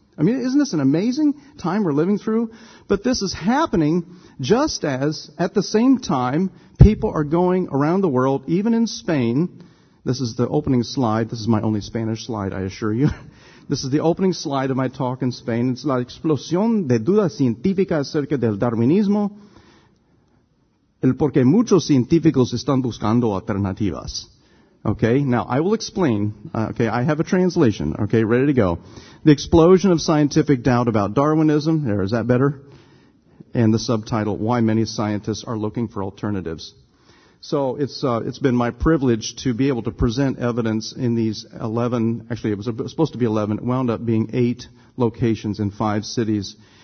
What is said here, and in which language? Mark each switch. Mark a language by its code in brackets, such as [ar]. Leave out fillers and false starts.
[en] I mean, isn't this an amazing time we're living through? But this is happening just as, at the same time, people are going around the world, even in Spain. This is the opening slide. This is my only Spanish slide, I assure you. This is the opening slide of my talk in Spain. It's [es] La explosión de duda científica acerca del darwinismo. El porque muchos científicos están buscando alternativas. [en] Okay, now I will explain. Okay, I have a translation. Okay, ready to go. The explosion of scientific doubt about Darwinism. There, is that better? And the subtitle, Why Many Scientists Are Looking for Alternatives. So it's been my privilege to be able to present evidence in these 11, actually it was supposed to be 11, it wound up being 8 locations in 5 cities.